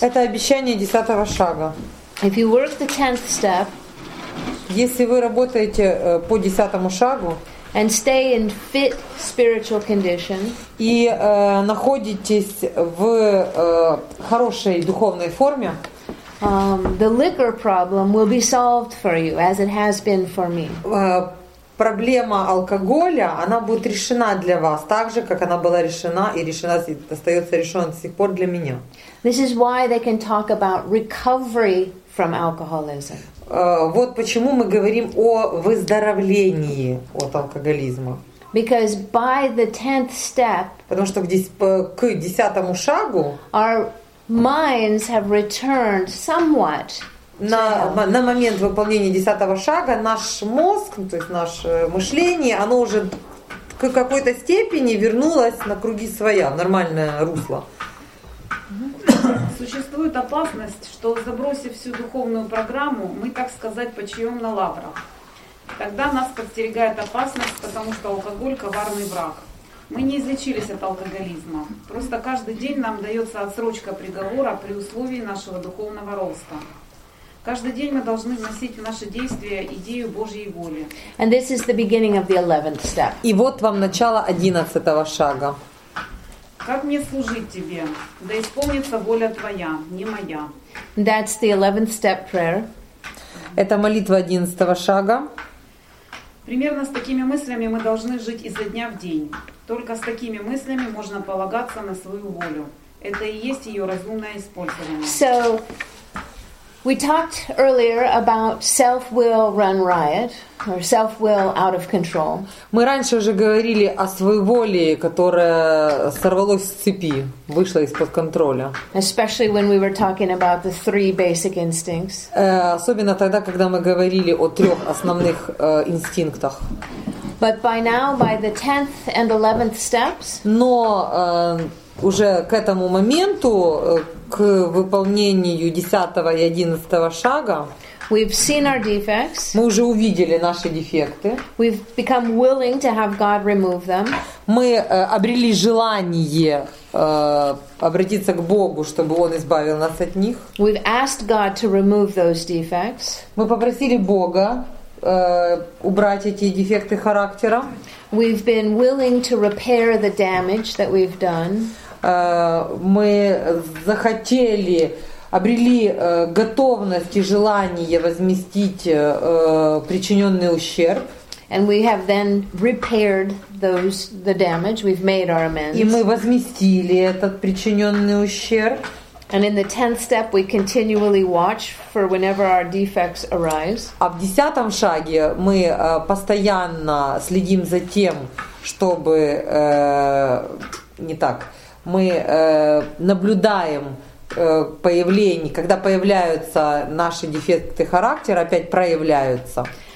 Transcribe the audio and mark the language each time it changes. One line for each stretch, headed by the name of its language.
Russian: Это обещание 10-го шага.
English: If you work the 10th step,
Russian: если вы работаете по 10-му шагу
English: and stay in fit spiritual condition,
Russian: и находитесь в хорошей духовной форме,
English: the liquor problem will be solved for you, as it has been for me.
Russian: Проблема алкоголя, она будет решена для вас так же, как она была решена и решена, остается решена до сих пор для меня.
English: This is why they can talk about recovery from alcoholism.
Russian: Вот почему мы говорим о выздоровлении от алкоголизма.
English: Because by the 10th step,
Russian: потому что к 10-му шагу
English: our minds have returned somewhat.
Russian: На момент выполнения 10-го шага наш мозг, то есть наше мышление, оно уже к какой-то степени вернулась на круги своя, нормальное русло. Существует опасность, что забросив всю духовную программу, мы, так сказать, почаем на лаврах. Тогда нас подстерегает опасность, потому что алкоголь – коварный враг. Мы не излечились от алкоголизма. Просто каждый день нам дается отсрочка приговора при условии нашего духовного роста. Каждый день мы должны вносить в наши действия идею Божьей воли.
English: And this is the beginning of the 11th step.
Russian: И вот вам начало 11-го шага. Как мне служить тебе, да исполнится воля твоя, не моя.
English: That's the 11th step prayer.
Russian: Это молитва 11-го шага. Примерно с такими мыслями мы должны жить изо дня в день. Только с такими мыслями можно полагаться на свою волю. Это и есть ее разумное использование.
English: So, we talked earlier about self-will run riot, or self-will out of control.
Russian: Мы раньше уже говорили о своеволии, которая сорвалась с цепи, вышла из-под контроля.
English: Especially when we were talking about the three basic instincts.
Russian: Особенно тогда, когда мы говорили о трех основных инстинктах.
English: But by now, by the 10th and 11th steps.
Russian: Но уже к этому моменту, к выполнению 10-го и 11-го шага,
English: we've seen our defects.
Russian: Мы уже увидели наши дефекты.
English: We've become willing to have God remove them.
Russian: Мы обрели желание обратиться к Богу, чтобы Он избавил нас от них.
English: We've asked God to remove those defects.
Russian: Мы попросили Бога убрать эти дефекты характера.
English: We've been willing to repair the damage that we've done.
Russian: Мы захотели, обрели готовность и желание возместить причиненный ущерб.
English: And we have then repaired those the damage. We've made our amends.
Russian: И мы возместили этот причиненный ущерб.
English: And in the 10th step, we continually watch for whenever our defects arise.
Russian: А в 10-м шаге мы постоянно следим за тем, чтобы мы наблюдаем появление, когда появляются наши дефекты характера, опять проявляются.